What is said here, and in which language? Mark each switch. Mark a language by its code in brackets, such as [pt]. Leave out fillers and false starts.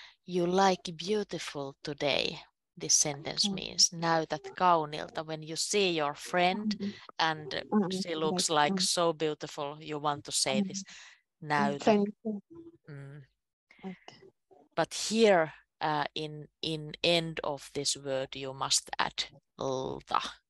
[en] You like beautiful today. This sentence means [fi] näytät kaunilta. [en] When you see your friend and she looks like so beautiful, you want to say this. [fi] Näytät. [en] But here in end of this word you must add lta.